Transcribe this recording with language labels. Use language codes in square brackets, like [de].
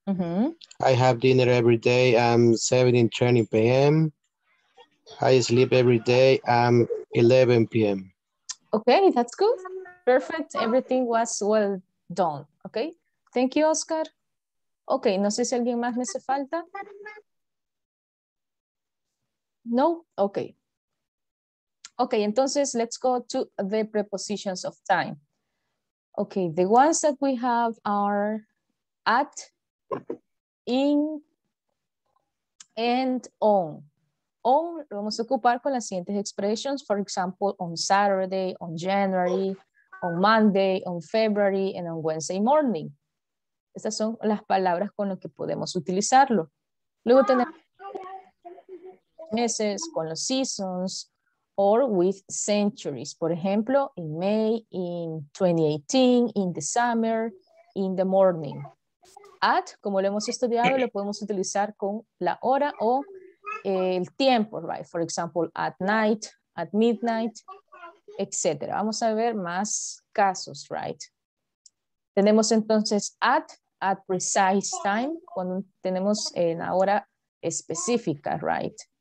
[en] I have dinner every day at 7:20 p.m. I sleep every day at 11 p.m. Okay, that's good. Perfect, everything was well done, okay? Thank you, Oscar. [es] Okay, no sé si alguien más me hace falta. No, okay. [en] Okay, entonces let's go to the prepositions of time. Okay, the ones that we have are at, in, and on. On [es] lo vamos a ocupar con las siguientes [en] expressions, for example, on Saturday, on January, on Monday, on February, and on Wednesday morning. [es] Estas son las palabras con las que podemos utilizarlo. Luego tenemos meses, con los seasons, [en] or with centuries. [es] Por ejemplo, [en] in May, in 2018, in the summer, in the morning. [es] At, como lo hemos estudiado, lo podemos utilizar con la hora o el tiempo, right? [en] For example, at night, at midnight, etc. [es] Vamos a ver más casos, right? Tenemos entonces [en] at precise time, [es] cuando tenemos la hora específica, right?